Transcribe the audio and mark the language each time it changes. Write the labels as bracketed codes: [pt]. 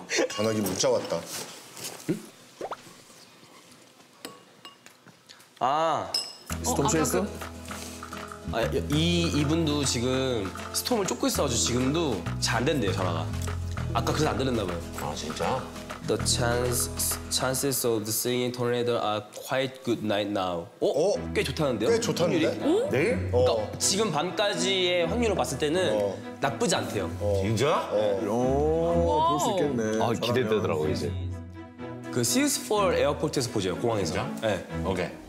[ko] 전화기 문자 왔다. 응? 아 스톰쉐이스? 아, 이분도 지금 스톰을 쫓고 있어가지고 지금도 잘 안 된대요, 전화가. 아까 그래서 안 들렸나 봐요. 아, 진짜? [en] The chances of the singing tornado are quite good night now. [ko] 어? 어? 꽤 좋다는데요? 꽤 좋다는데? 확률이? 응? 내일? 그러니까 지금 밤까지의 확률을 봤을 때는 나쁘지 않대요. 진짜? 볼 수 있겠네. 아, 기대되더라고, 이제. 그 Sears4 에어포트에서 보죠, 공항에서. 진짜? 네. 오케이.